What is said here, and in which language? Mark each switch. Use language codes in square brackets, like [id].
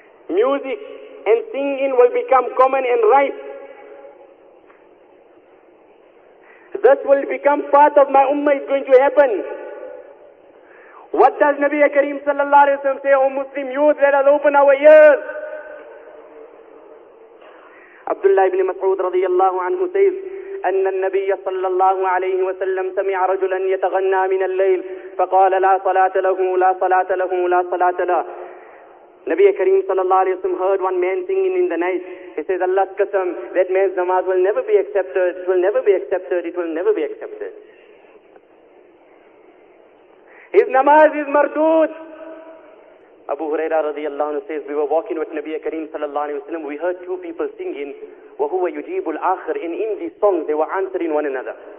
[en] Music and singing will become common and right. This will become part of my ummah is going to happen. What does Nabi Kareem Sallallahu Alaihi Wasallam say, O Muslim youth, let us open our ears. [ar] Abdullah ibn Mas'ud radiyallahu anhu says, أن النبي صلى الله عليه وسلم سمع رجلا يتغنى من الليل فقال لا صلاة له لا صلاة له لا صلاة له نبي كريم صلى الله عليه وسلم [en] heard one man singing in the night. He says, Allah's qasam, that man's namaz will never be accepted. It will never be accepted. It will never be accepted. His namaz is mardood. Abu Huraira radiallahu anhu says, we were walking with Nabiya Kareem sallallahu alayhi wa sallam. We heard two people singing, [ar] وَهُوَ يُجِيبُ الْآخِرِ. [en] And in this song, they were answering one another.